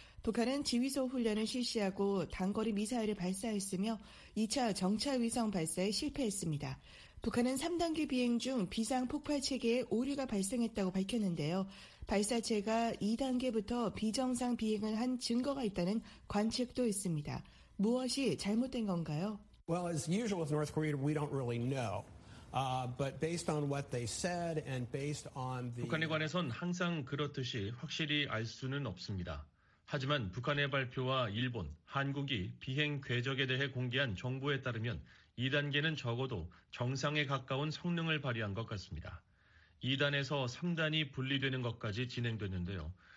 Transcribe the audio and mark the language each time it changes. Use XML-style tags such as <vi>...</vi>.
<ko>북한은 지휘소 훈련을 실시하고 단거리 미사일을 발사했으며 2차 정찰위성 발사에 실패했습니다. 북한은 3단계 비행 중 비상 폭발 체계에 오류가 발생했다고 밝혔는데요. 발사체가 2단계부터 비정상 비행을 한 증거가 있다는 관측도 있습니다. 무엇이 잘못된 건가요?</ko> <en>Well, as usual with North Korea, we don't really know. But based on what they said and based on the</en> <ko>북한에 관해선 항상 그렇듯이 확실히 알 수는 없습니다. 하지만 북한의 발표와 일본, 한국이 비행 궤적에 대해 공개한 정보에 따르면 2단계는 적어도 정상에 가까운 성능을 발휘한 것 같습니다. 2단에서 3단이 분리되는 것까지 진행됐는데요.</ko>